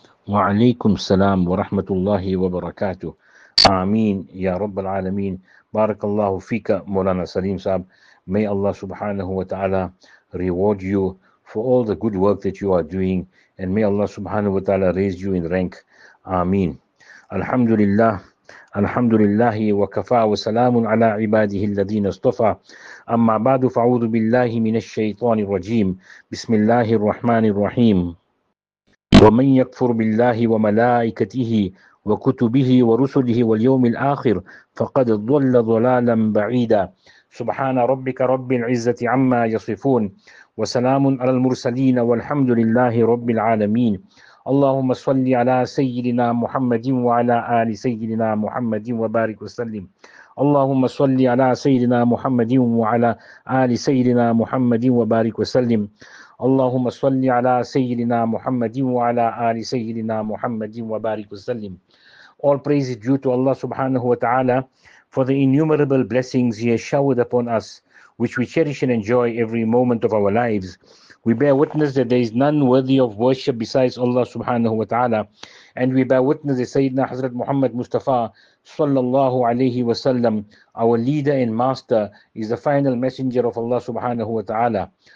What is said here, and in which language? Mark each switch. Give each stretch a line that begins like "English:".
Arabic: وعليكم السلام ورحمة الله وبركاته. آمين يا رب العالمين. بارك الله فيك مولانا سليم صاحب.
English: May Allah سبحانه وتعالى reward you for all the good work that you are doing, and may Allah سبحانه وتعالى raise you in rank.
Arabic: آمين. الحمد لله الحمد لله وكفى وسلام على عباده الذين اصطفى. أما بعد، فأعوذ بالله من الشيطان الرجيم. بسم الله الرحمن الرحيم. ومن يكفر بالله وملائكته وكتبه ورسله واليوم الآخر فقد ضل ضلالا بعيدا. سبحان ربك رب العزة عما يصفون، وسلام على المرسلين، والحمد لله رب العالمين. اللهم صل على سيدنا محمد وعلى آل سيدنا محمد وبارك وسلم. اللهم صل على سيدنا محمد وعلى آل سيدنا محمد وبارك وسلم. اللهم صل على سيدنا محمد وعلى آل سيدنا محمد وبارك وسلم.
English: All praise is due to Allah subhanahu wa ta'ala for the innumerable blessings He has showered upon us, which we cherish and enjoy every moment of our lives. We bear witness that there is none worthy of worship besides Allah subhanahu wa ta'ala. And we bear witness that Sayyidina Hazrat Muhammad Mustafa sallallahu alayhi wa sallam, our leader and master, is the final messenger of Allah subhanahu wa ta'ala.